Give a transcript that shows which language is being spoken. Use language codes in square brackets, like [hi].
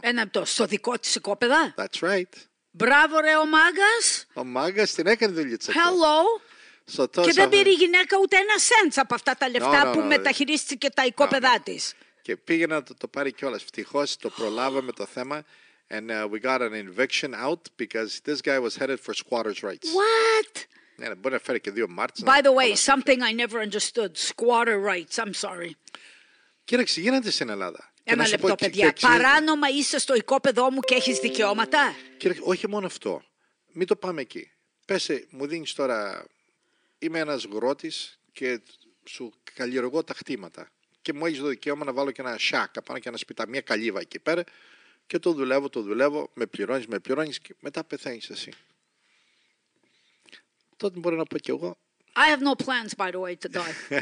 [el] Ένα από το, στο δικό της οικόπεδα. [en] That's right. [el] Μπράβο ρε ο μάγκας. Ο μάγκας την έκανε δουλειά. [en] Hello. [el] Και δεν πήρε η γυναίκα ούτε ένα σέντς από αυτά τα λεφτά που μεταχειρίστηκε τα οικόπεδά της. Και πήγε να το πάρει κιόλας. Φτυχώς το προλάβαμε το θέμα. [en] And we got an eviction out because this guy was headed for squatters' rights. What? [el] Yeah, μπορεί να φέρει και δύο μάρτς. [en] By the way, something I never understood. Squatter rights. I'm sorry. [el] Κοίταξε, γίνεται στην Ελλάδα. Ένα λεπτό, παιδιά. Παράνομα είσαι στο οικόπεδό μου και έχεις δικαιώματα. Κοίταξε, όχι μόνο αυτό. Μην το πάμε εκεί. Πες, μου δίνεις τώρα... Είμαι ένας γρότης και σου καλλιεργώ τα χτήματα. Και μου έχεις το δικαίωμα να βάλω και ένα σάκ απάνω και ένα σπίτι, μια καλύβα εκεί πέρα. Και το δουλεύω, με πληρώνεις και μετά πεθαίνεις εσύ. Τότε μπορεί να πω κι εγώ. [en] I have no plans, by the way, to die.